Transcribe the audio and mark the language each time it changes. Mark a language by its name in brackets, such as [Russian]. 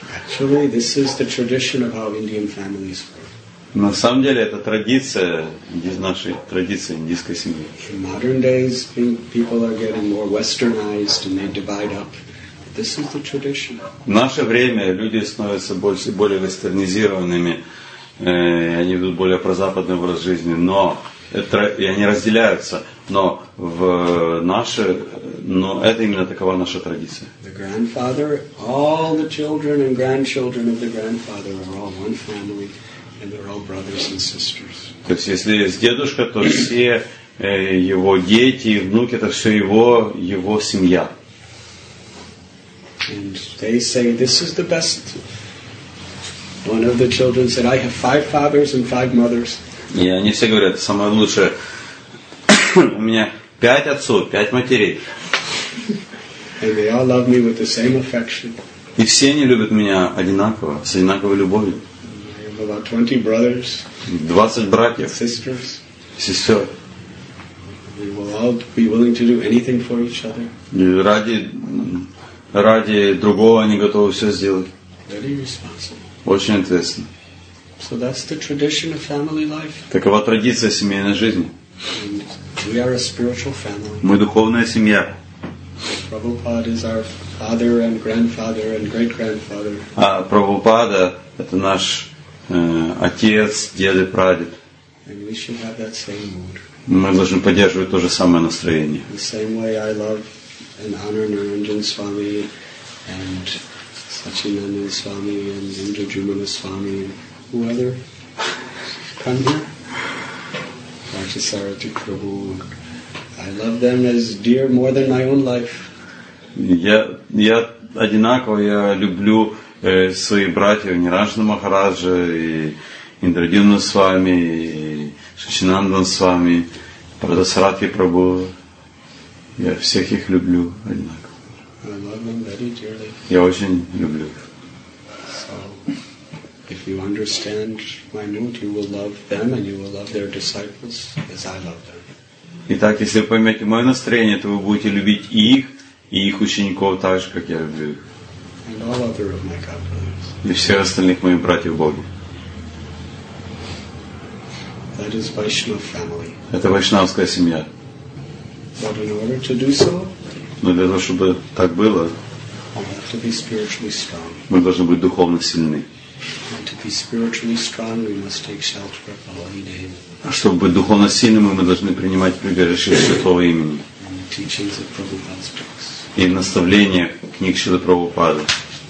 [English] Actually, this is the tradition of how Indian families work. [Russian] На самом деле это традиция нашей традиции индийской семьи. [English] In modern days, people are getting more westernized and they divide up. This is the tradition. [Russian] В наше время люди становятся больше и более вестернизированными, и они ведут более прозападный образ жизни, но это, и они разделяются. Но в наше, но это именно такова наша традиция. [English] The grandfather, all the children and grandchildren of the grandfather are all one family. And they're all brothers and sisters. [Russian] То есть, если с дедушка, то все его дети и внуки, это все его семья. [English] And they say, this is the best. One of the children said, I have five fathers and five mothers. [Russian] И они все говорят, самое лучшее. У меня пять отцов, пять матерей. [English] And they all love me with the same affection. [Russian] И все они любят меня одинаково, с одинаковой любовью. [English] About 20 brothers. [Russian] 20 братьев. [English] Sisters. [Russian] Сестер. [English] We will all be willing to do anything for each other. [Russian] Ради другого они готовы все сделать. [English] Very responsible. [Russian] Очень ответственно. [English] So that's the tradition of family life. [Russian] Такова традиция семейной жизни. [English] And we are a spiritual family. [Russian] Мы духовная семья. [English] Prabhupada is our father and grandfather and great grandfather. [Russian] А Прабхупада это наш отец, деды, прадед. [English] And we should have that same mood. [Russian] Мы должны поддерживать то же самое настроение. [English] The same way I love and honor Naranjan Swami and Sachinanda Swami and Indrajumana Swami and whoever come here. Rajasarati Prabhu. I love them as dear more than my own life. [Russian] Я одинаково, я люблю свои братья Ниранджана Махараджа и Индрадина с вами и Шачинандан с вами Прадасарати Прабу. Я всех их люблю одинаково. Я очень люблю их. [English] So, if you understand my mood, you will love them and you will love their disciples as I love them. [Russian] Итак, если вы поймете мое настроение, то вы будете любить их и их учеников так же, как я люблю их. [English] And all other of my God brothers. [Russian] И всех остальных моих братьев Бога. [English] That is Vaishnava family. [Russian] Это вайшнавская семья. [English] But in order to do so, [Russian] но для того, чтобы так было, [English] we have to be spiritually strong. [Russian] Мы должны быть духовно сильны. [English] And to be spiritually strong, we must take shelter of the holy name. [Russian] А чтобы быть духовно сильными, мы должны принимать прибежище святого имени. [English] And the teachings of Prabhupada's books. [Russian] И наставления книг Шрилы Прабхупады.